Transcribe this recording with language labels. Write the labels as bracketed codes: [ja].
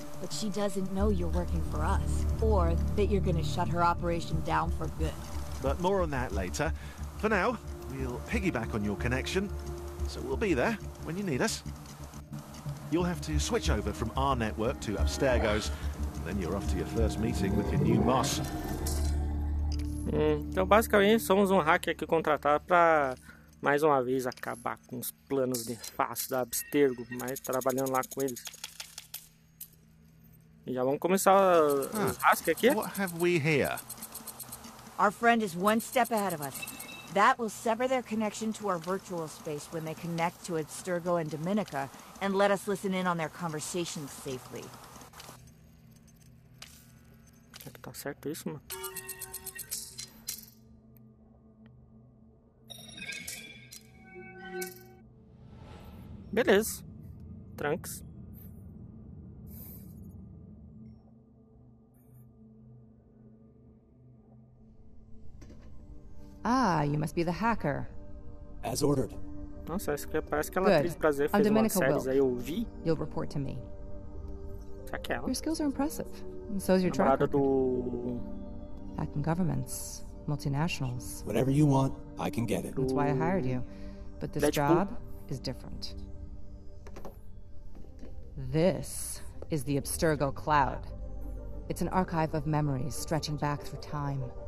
[en] But she doesn't know you're working for us, or that you're going to shut her operation down for good. But more on that later. For now, we'll piggyback on your connection, so we'll be there when you need us. You'll have to switch over from our network to Abstergo's, and then you're off to your first meeting with your new boss. [pt] Então, basicamente, somos um hacker aqui contratado para, mais uma vez, acabar com os planos de fácil da Abstergo, mas trabalhando lá com eles. E já vamos começar o hack aqui. [en] What have we here? Our friend is one step ahead of us. That will sever their connection to our virtual space when they connect to Abstergo and Dominica and let us listen in on their conversations safely. [pt] Será que tá certo isso, mano? Beleza, Trunks. [en] Ah, you must be the hacker. As ordered. [pt] Nossa, acho que parece que ela fez prazer fez uma série aí, eu vi. [en] You'll report to me. [pt] Será que é ela? [en] Your skills are impressive. And so is your track record. Hacking governments, multinationals. Whatever you want, I can get it. That's why I hired you. But this job is different. This is the Abstergo Cloud. It's an archive of memories stretching back through time.